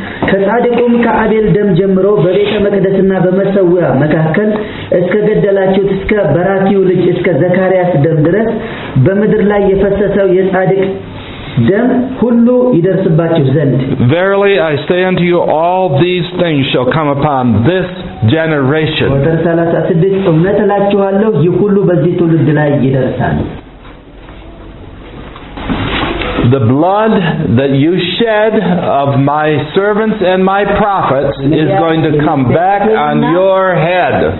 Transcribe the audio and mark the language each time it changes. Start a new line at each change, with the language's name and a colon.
Amharic: ከጻድቁም ከአቤል ደም ጀምሮ በቤተ መቅደስና በመሠዊያ መካከል እስከ ገደላችሁት እስከ በራኪው ልጅ እስከ ዘካርያስ ደም ድረስ በምድር ላይ የፈሰሰው የጻድቅ ደም ሁሉ ይደርስባችሁ ዘንድ
English: Verily I say unto you all these things shall come upon this generation.
Amharic: ወደ 36 እውነት እላችኋለሁ ይህ ሁሉ በዚህ ትውልድ ላይ ይደርሳል
English: The blood that you shed of my servants and my prophets is going to come back on your head.